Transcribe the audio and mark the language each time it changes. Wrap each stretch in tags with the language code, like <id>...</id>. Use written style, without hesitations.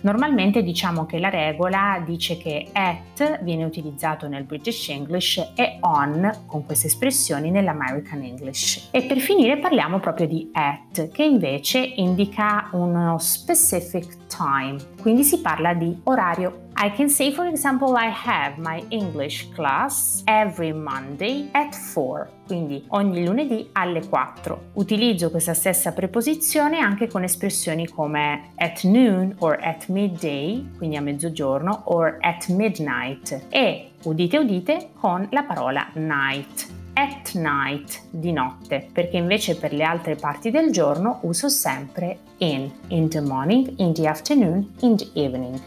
<it>Normalmente diciamo che la regola dice che at viene utilizzato nel British English e on con queste espressioni nell'American English. E per finire parliamo proprio di at, che invece indica uno</it> <en>specific time,</en> <it>quindi si parla di orario.</it> <en>I can say, for example, I have my English class every Monday at 4.</en> <it>Quindi ogni lunedì alle 4. Utilizzo questa stessa preposizione anche con espressioni come</it> <en>at noon or at midday,</en> <it>quindi a mezzogiorno,</it> <en>or at midnight.</en> <it>E, udite udite, con la parola night.</it> <en>At night,</en> <it>di notte, perché invece per le altre parti del giorno uso sempre</it> <en>in the morning, in the afternoon, in the evening.</en>